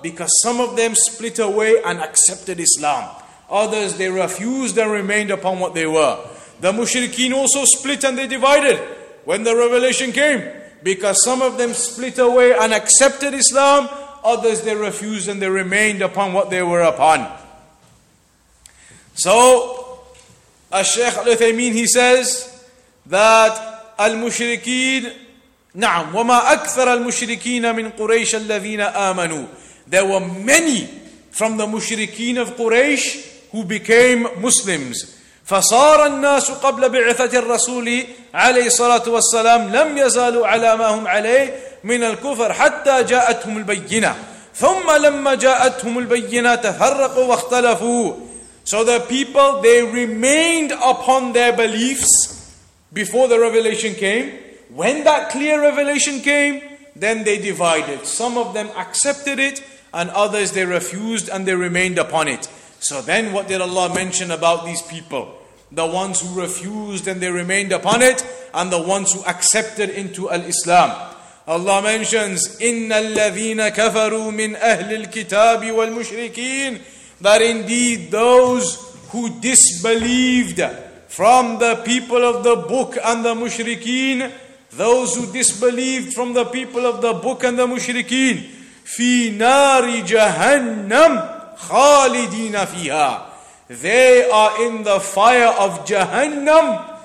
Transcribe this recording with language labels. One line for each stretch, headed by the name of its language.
English: Because some of them split away and accepted Islam. Others, they refused and remained upon what they were. The mushrikeen also split and they divided when the revelation came. Because some of them split away and accepted Islam. Others, they refused and they remained upon what they were upon. So, Al-Shaykh Al-Uthaymeen, he says that Al-Mushrikeen,
Arabic: نعم وما أكثر المشركين من قريش الذين آمنوا.
English: There were many from the mushrikeen of Quraysh who became Muslims.
Arabic: فصار الناس قبل بعثة الرسول عليه الصلاة والسلام لم يزالوا على ما هم عليه من الكفر حتى جاءتهم البينة ثم لما جاءتهم البينة تفرقوا واختلفوا.
English: So the people, they remained upon their beliefs before the revelation came. When that clear revelation came, then they divided. Some of them accepted it, and others they refused and they remained upon it. So then what did Allah mention about these people? The ones who refused and they remained upon it, and the ones who accepted into al-Islam. Allah mentions,
Arabic: إِنَّ الَّذِينَ كَفَرُوا مِنْ أَهْلِ الْكِتَابِ وَالْمُشْرِكِينَ.
English: That indeed those who disbelieved from the people of the book and the mushrikeen, those who disbelieved from the people of the book and the mushrikeen,
Arabic: fi nari jahannam khalidina fiha,
English: they are in the fire of jahannam